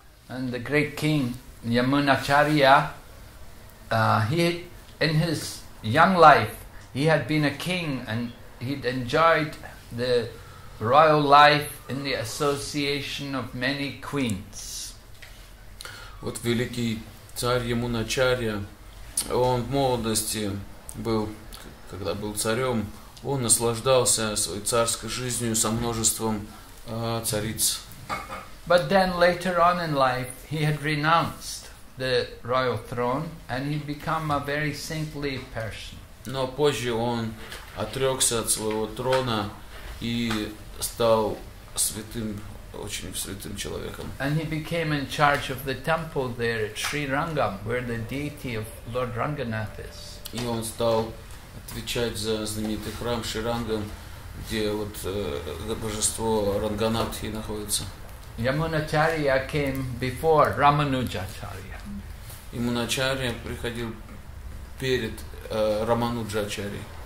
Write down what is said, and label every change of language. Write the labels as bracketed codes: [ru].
[en] And the great king Yamunacharya, he in his young life he had been a king and he'd enjoyed the royal life in the association of many queens. [ru] Вот великий царь Ямуначарья, он в молодости был, когда был царем, он наслаждался своей царской жизнью со множеством цариц. [en] But then later on in life he had renounced the royal throne and he became a very saintly person. [ru] Но позже он отрекся от своего трона и стал святым, очень святым человеком. [en] And he became in charge of the temple there at Sri Rangam, where the deity of Lord Ranganath is. [ru] И он стал отвечать за знаменитый храм Шри Рангам, где вот божество Ранганатхи находится. [en] Ямуначарья came before Рамануджачарья. [ru] Ямуначарья приходил перед Рамануджачарьей.